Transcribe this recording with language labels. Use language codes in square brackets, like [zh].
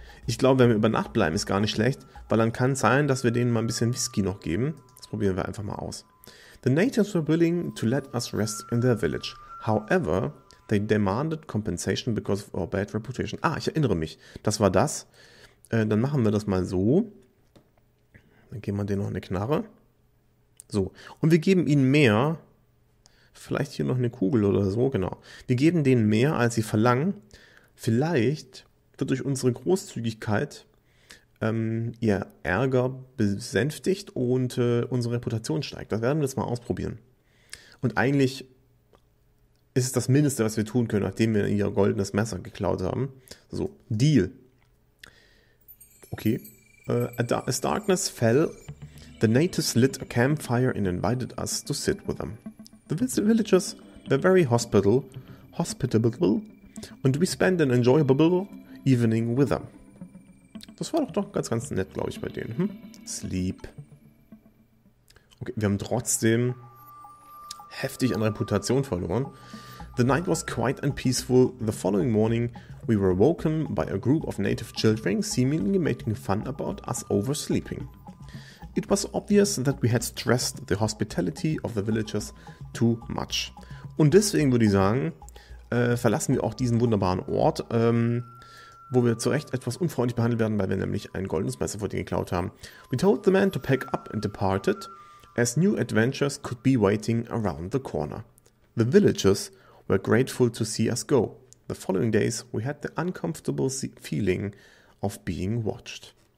[de] Ich glaube, wenn wir über Nacht bleiben, ist gar nicht schlecht, weil dann kann es sein, dass wir denen mal ein bisschen Whisky noch geben. Das probieren wir einfach mal aus. [en] The natives were willing to let us rest in their village. However, they demanded compensation because of our bad reputation. [de] Ah, ich erinnere mich. Das war das. Dann machen wir das mal so. Dann geben wir denen noch eine Knarre. So. Und wir geben ihnen mehr. Vielleicht hier noch eine Kugel oder so, genau. Wir geben denen mehr, als sie verlangen. Vielleicht wird durch unsere Großzügigkeit ihr Ärger besänftigt und unsere Reputation steigt. Das werden wir jetzt mal ausprobieren. Und eigentlich ist es das Mindeste, was wir tun können, nachdem wir ihr goldenes Messer geklaut haben. So, Deal. Okay. [en] As darkness fell, the natives lit a campfire and invited us to sit with them. The villagers were very hospitable, and we spent an enjoyable evening with them. [de] Das war doch ganz, ganz nett, glaube ich, bei denen. Hm? Sleep. Okay, wir haben trotzdem heftig an Reputation verloren. [en] The night was quiet and peaceful. The following morning, we were woken by a group of native children seemingly making fun about us oversleeping. It was obvious that we had stressed the hospitality of the villagers too much. [de] Und deswegen würde ich sagen, verlassen wir auch diesen wunderbaren Ort, wo wir zu Recht etwas unfreundlich behandelt werden, weil wir nämlich ein goldenes Messer vor dir geklaut haben. [en] We told the man to pack up and departed, as new adventures could be waiting around the corner. The villagers were grateful to see us go. The following days we had the uncomfortable feeling of being watched.